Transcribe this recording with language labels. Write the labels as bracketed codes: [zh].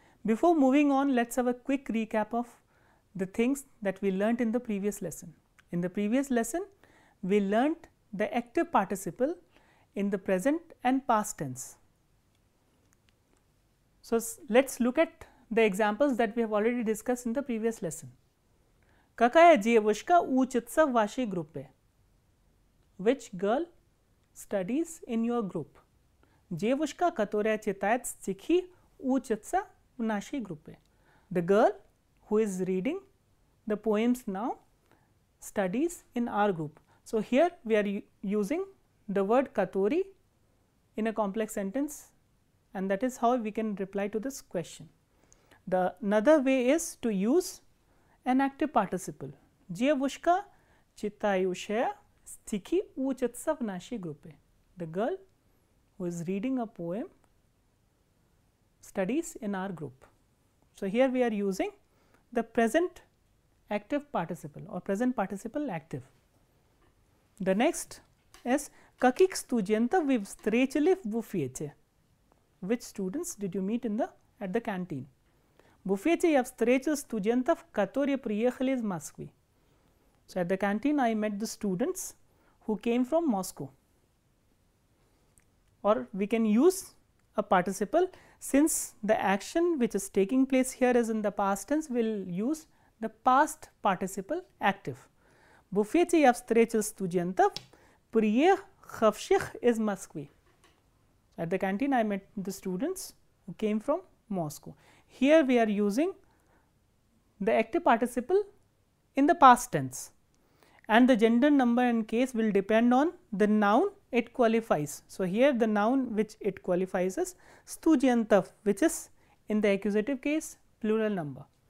[en] Before moving on, let's have a quick recap of the things that we learnt in the previous lesson. In the previous lesson, we learnt the active participle in the present and past tense. So, let's look at the examples that we have already discussed in the previous lesson. [ru] Какая девушка учится в вашей группе? [en] Which girl studies in your group? [ru] Девушка, которая читает стихи, учится в нашей группе. [en] The girl who is reading the poems now studies in our group. So, here we are using the word katori in a complex sentence, and that is how we can reply to this question. The another way is to use an active participle. [ru] Девушка читающая стихи учится в нашей группе. [en] The girl who is reading a poem studies in our group. So, here we are using the present active participle or present participle active. The next is [ru] каких студентов вы встретили в буфете? [en] Which students did you meet at the canteen? [ru] Буфете я встретил студентов, которые приехали из Москвы. [en] So, at the canteen I met the students who came from Moscow. Or we can use a participle. Since the action which is taking place here is in the past tense, we will use the past participle active. [ru] Буфете я встретил студентов, приехавших из Москвы. [en] At the canteen, I met the students who came from Moscow. Here we are using the active participle in the past tense. And the gender, number and case will depend on the noun it qualifies. So, here the noun which it qualifies is студентов, which is in the accusative case plural number.